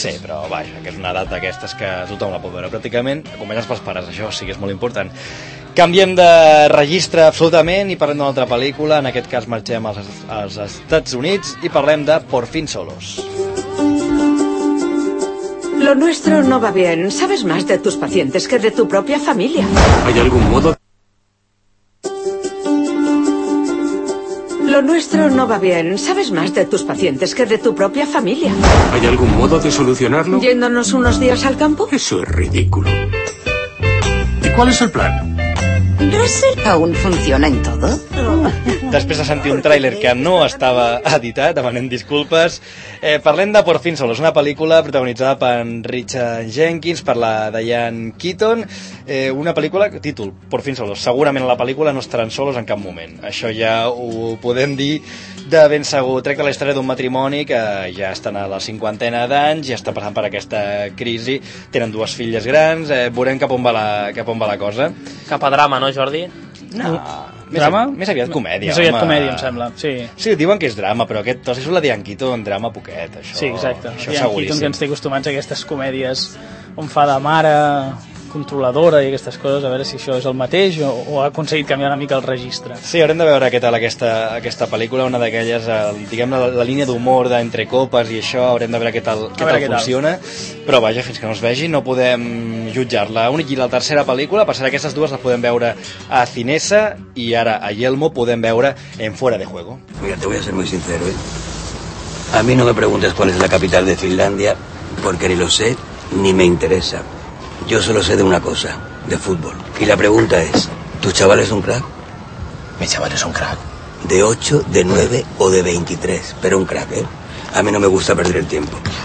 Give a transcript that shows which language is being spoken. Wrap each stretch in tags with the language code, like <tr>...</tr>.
<ca>Sí, però vaja, que és una edat d'aquestes que tothom la pot veure pràcticament. Comences pels pares, això, o sigui, és molt important. Canviem de registre absolutament i parlem d'una altra pel·lícula. En aquest cas marxem als Estats Units i parlem de Por fin solos.</ca> <es>Lo nuestro no va bien. Sabes más de tus pacientes que de tu propia familia. ¿Hay algún modo? Lo nuestro no va bien. Sabes más de tus pacientes que de tu propia familia. ¿Hay algún modo de solucionarlo? ¿Yéndonos unos días al campo? Eso es ridículo. ¿Y cuál es el plan? ¿Russell aún funciona en todo?</es> <ca>Després de sentir un tràiler que no estava editat, demanem disculpes. Parlem de Por fin solos, una pel·lícula protagonitzada per en Richard Jenkins, per la Diane Keaton. Una pel·lícula, títol, Por fin solos. Segurament la pel·lícula no estaran solos en cap moment. Això ja ho podem dir de ben segur. Tracta la història d'un matrimoni que ja estan a la cinquantena d'anys, ja està passant per aquesta crisi, tenen dues filles grans, veurem cap on va la cosa. Cap a drama, no, Jordi? No. Drama? Més aviat comèdia. Més aviat comèdia, em sembla. Sí, diuen que és drama, però aquest tos és la Diane Keaton, drama poquet, això. Sí, exacte. Això Diane Keaton, que ens té acostumats a aquestes comèdies on fa de mare controladora i aquestes coses, a veure si això és el mateix o ha aconseguit canviar una mica el registre. Sí, haurem de veure què tal aquesta pel·lícula, una d'aquelles, diguem la línia d'humor d'entre copes i això, haurem de veure què tal funciona. Però vaja, fins que no es vegi, no podem jutjar-la. I la tercera pel·lícula, per ser aquestes dues, les podem veure a Cinesa i ara a Yelmo podem veure en Fuera de Juego.</ca> <es>Mira, te voy a ser muy sincero, ¿eh? A mí no me preguntes cuál es la capital de Finlandia, porque ni lo sé ni me interesa. Yo solo sé de una cosa, de fútbol. Y la pregunta es, ¿tu chaval es un crack? Mi chaval es un crack. De 8, de 9 o de 23, pero un crack, ¿eh? A mí no me gusta perder el tiempo.</es>